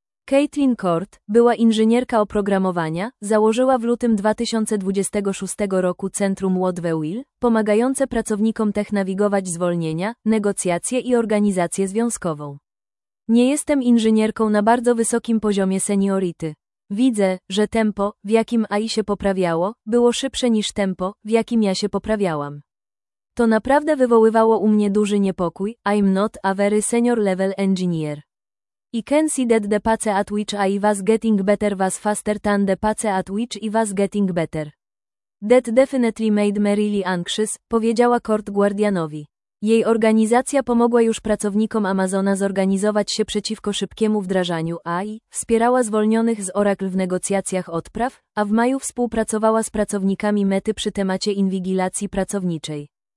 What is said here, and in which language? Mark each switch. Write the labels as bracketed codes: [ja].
[pl] Caitlin Court, była inżynierka oprogramowania, założyła w lutym 2026 roku Centrum Wodeville, pomagające pracownikom tech nawigować zwolnienia, negocjacje i organizację związkową. Nie jestem inżynierką na bardzo wysokim poziomie seniority. Widzę, że tempo, w jakim AI się poprawiało, było szybsze niż tempo, w jakim ja się poprawiałam. To naprawdę wywoływało u mnie duży niepokój. [en] I'm not a very senior level engineer. I can see that the pace at which I was getting better was faster than the pace at which I was getting better. That definitely made me really anxious, [pl] powiedziała Kurt Guardianowi. Jej organizacja pomogła już pracownikom Amazona zorganizować się przeciwko szybkiemu wdrażaniu AI, wspierała zwolnionych z Oracle w negocjacjach odpraw, a w maju współpracowała z pracownikami Mety przy temacie inwigilacji pracowniczej.